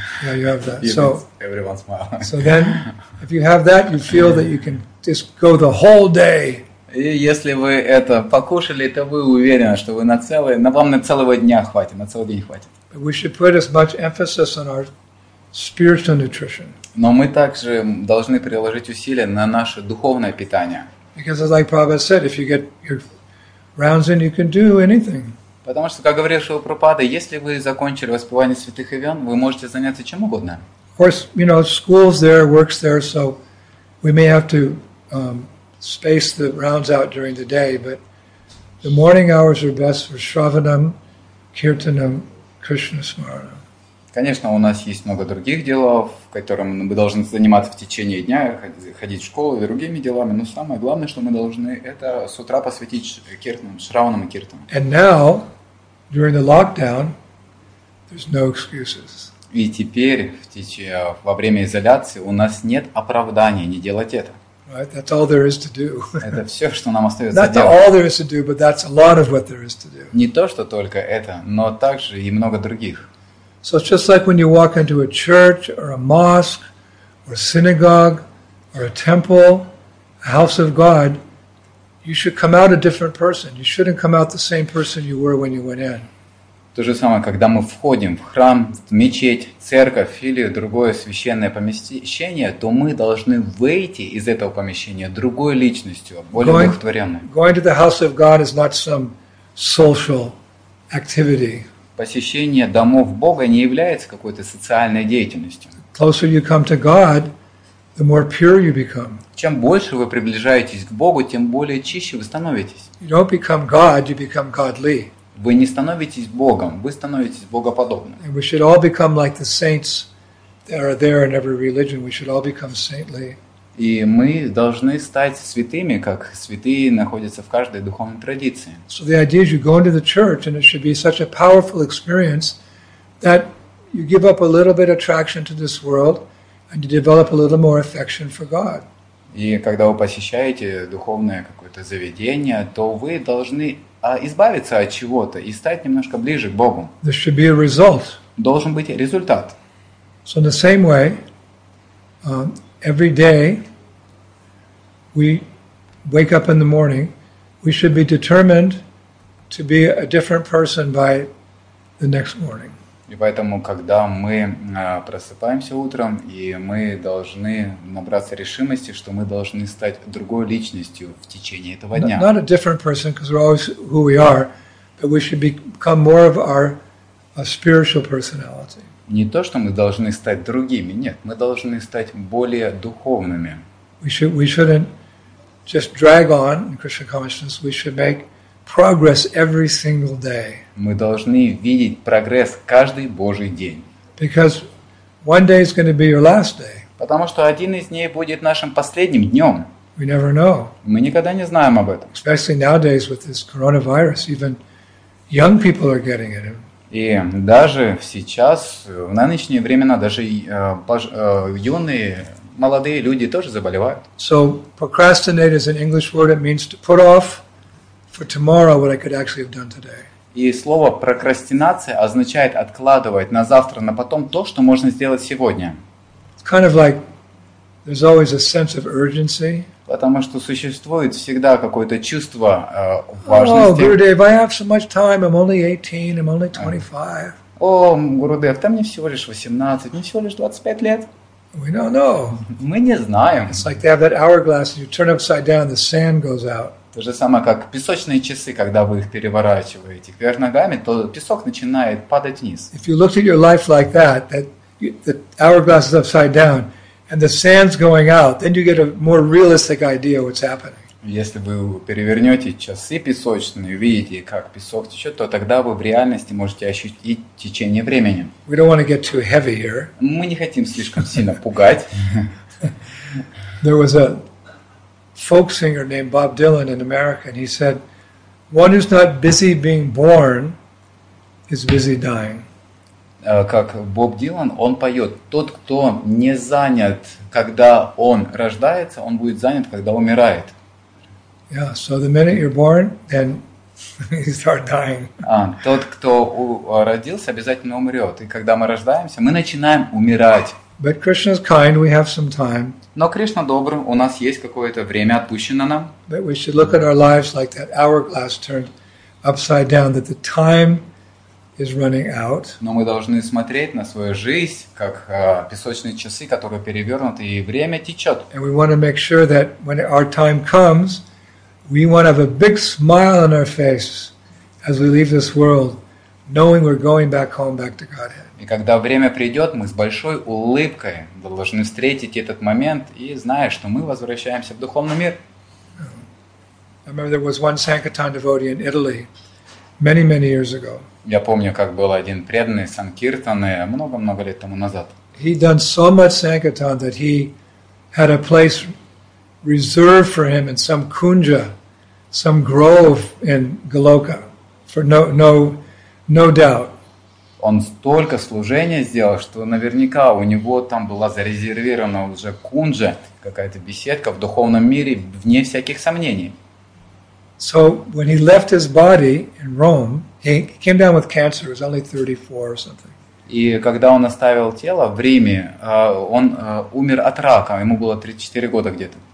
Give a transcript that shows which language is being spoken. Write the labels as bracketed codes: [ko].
[en] Yeah, you have that. You so everyone smiles. So then, if you have that, you feel that you can just go the whole day. [ru] И если вы это покушали, то вы уверены, что вы на целый, на вам на целого дня хватит, на целый день хватит. [en] But we should put as much emphasis on our spiritual nutrition. [ru] Но мы также должны приложить усилия на наше духовное питание. [en] Because, like Prabhupada said, if you get your rounds in, you can do anything. [ru] Потому что, как говорил Шрила Прабхупада, если вы закончили воспевание святых имен, вы можете заняться чем угодно. [en] Of course, you know, school's there, work's there, so we may have to space the rounds out during the day, but the morning hours are best for Shravanam, Kirtanam, Krishna Smaranam. [ru] Конечно, у нас есть много других дел, которыми мы должны заниматься в течение дня, ходить в школу и другими делами, но самое главное, что мы должны, это с утра посвятить киртанам, шраванам и киртанам. [en] And now, during the lockdown, there's no excuses. [ru] И теперь, во время изоляции, у нас нет оправдания не делать это. [en] Right, that's all there is to do. [ru] Это все, что нам остается [en] Not [ru] делать. [en] Not all there is to do, but that's a lot of what there is to do. [ru] Не то, что только это, но также и много других. [en] So it's just like when you walk into a church or a mosque or a synagogue or a temple, a house of God, you should come out a different person. You shouldn't come out the same person you were when you went in. [ru] То же самое, когда мы входим в храм, в мечеть, церковь или другое священное помещение, то мы должны выйти из этого помещения другой личностью, более удовлетворенной. [en] Going to the house of God is not some social activity. [ru] Посещение домов Бога не является какой-то социальной деятельностью. [en] Closer you come to God, the more pure you become. [ru] Чем больше вы приближаетесь к Богу, тем более чище вы становитесь. [en] You don't become God, you become godly. [ru] Вы не становитесь Богом, вы становитесь богоподобным. [en] And we should all become like the saints that are there in every religion. We should all become saintly. [ru] И мы должны стать святыми, как святые находятся в каждой духовной традиции. [en] So the idea is you go into the church, and it should be such a powerful experience that you give up a little bit of attraction to this world, and you develop a little more affection for God. [ru] И когда вы посещаете духовное какое-то заведение, то вы должны избавиться от чего-то и стать немножко ближе к Богу. [en] There should be a result. [ru] Должен быть результат. [en] So in the same way, every day we wake up in the morning, we should be determined to be a different person by the next morning. [ru] И поэтому, когда мы просыпаемся утром, и мы должны набраться решимости, что мы должны стать другой личностью в течение этого дня. [en] Not a different person, because we're always who we are, but we should become more of our spiritual personality. [ru] Не то, что мы должны стать другими, нет, мы должны стать более духовными. [en] We shouldn't just drag on in Krishna consciousness, we should make progress every single day. [ru] Мы должны видеть прогресс каждый Божий день. [en] Because one day is going to be your last day. [ru] Потому что один из дней будет нашим последним днем. [en] We never know. [ru] Мы никогда не знаем об этом. [en] Especially nowadays with this coronavirus, even young people are getting it. [ru] И даже сейчас, в нынешнее время, даже юные, молодые люди тоже заболевают. [en] So procrastinate is an English word. It means to put off for tomorrow what I could actually have done today. [ru] И слово прокрастинация означает откладывать на завтра, на потом то, что можно сделать сегодня. [en] It's kind of like there's always a sense of urgency. [ru] Потому что существует всегда какое-то чувство важности. [en] Oh, Gurudev, I have so much time. I'm only 18. I'm only 25. [ru] О, Гурудев, там мне всего лишь 18. Мне всего лишь 25 лет. [en] We don't know. [ru] Мы не знаем. [en] It's like they have that hourglass. You turn upside down, the sand goes out. [ru] То же самое, как песочные часы, когда вы их переворачиваете вверх ногами, то песок начинает падать вниз. [en] If you looked at your life like that, that the hourglass is upside down, and the sand's going out, then you get a more realistic idea what's happening. [ru] Если вы перевернете часы песочные, увидите, как песок течет, то тогда вы в реальности можете ощутить течение времени. [en] We don't want to get too heavy here. [ru] Мы не хотим слишком сильно пугать. [en] There was a folk singer named Bob Dylan in America, and he said, "One who's not busy being born is busy dying." [ru] Как Боб Дилан, он поет: "Тот, кто не занят, когда он рождается, он будет занят, когда умирает." [en] Yeah. So the minute you're born, then you start dying. [ru] Тот, кто родился, обязательно умрет. И когда мы рождаемся, мы начинаем умирать. [en] But Krishna is kind, we have some time. [ru] Но Кришна добр, у нас есть какое-то время отпущено нам. [en] But we should look at our lives like that hourglass turned upside down, that the time is running out. [ru] Но мы должны смотреть на свою жизнь как песочные часы, которые перевернуты, и время течет. [en] And we want to make sure that when our time comes, we want to have a big smile on our face as we leave this world, knowing we're going back home, back to Godhead. [ru] И когда время придет, мы с большой улыбкой должны встретить этот момент и зная, что мы возвращаемся в духовный мир. [en] I remember there was one Sankirtan devotee in Italy many, many years ago. [ru] Я помню, как был один преданный Санкиртаны много-много лет тому назад. [en] He'd done so much Sankirtan that he had a place reserved for him in some kunja, some grove in Goloka, for no doubt. [ru] Он столько служения сделал, что наверняка у него там была зарезервирована уже кунджа, какая-то беседка в духовном мире, вне всяких сомнений. [en] So when he left his body in Rome, he came down with cancer, he was only 34 or something. [ru] И когда он оставил тело в Риме, он умер от рака, ему было 34 года где-то.